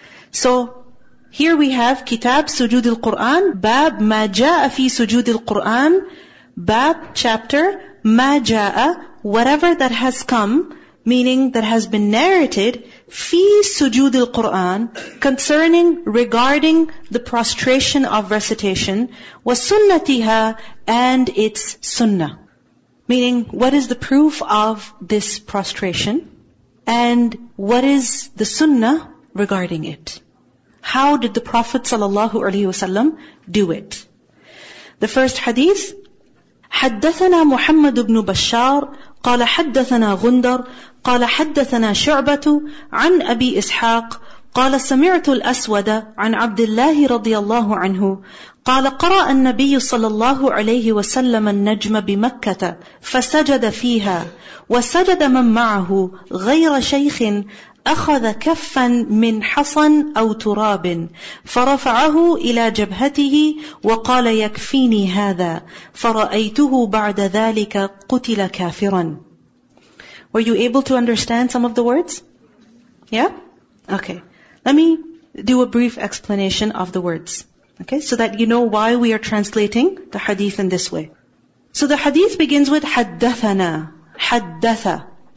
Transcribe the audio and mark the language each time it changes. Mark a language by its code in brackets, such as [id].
[en] So, here we have Kitab Sujood al-Qur'an, Bab Ma Ja'a Fi Sujood al-Qur'an, Bab, chapter, Ma Ja'a, whatever that has come, meaning that has been narrated, Fi Sujood al-Qur'an, concerning, regarding the prostration of recitation, Wa Sunnatiha, and its Sunnah. Meaning, what is the proof of this prostration? And what is the Sunnah regarding it? How did the Prophet sallallahu alaihi wasallam do it? The first hadith, [ar] حَدَّثَنَا مُحَمَّدُ بْنُ بَشَّارِ قَالَ حَدَّثَنَا غُنْدَرْ قَالَ حَدَّثَنَا شُعْبَةُ عَنْ أَبِي إِسْحَاقِ قَالَ سَمِعْتُ الْأَسْوَدَ عَنْ عَبْدِ اللَّهِ رَضِيَ اللَّهُ عَنْهُ قَالَ قَرَأَ النَّبِيُّ صَلَى اللَّهُ عَلَيْهِ وَسَلَّمَ النَّجْمَ بِمَكَّةَ فَسَجَدَ فِيهَا وَسَجَدَ مَنْ مَعَهُ غَيْرَ شَيْخٍ أخذ كفا من حصن أو تراب فرفعه إلى جبهته وقال يكفيني هذا فرأيته بعد ذلك قتل كافرا. [en] Were you able to understand some of the words? Yeah? Okay. Let me do a brief explanation of the words. Okay? So that you know why we are translating the hadith in this way. So the hadith begins with [ar] حَدَّثَنَا حَدَّثَ.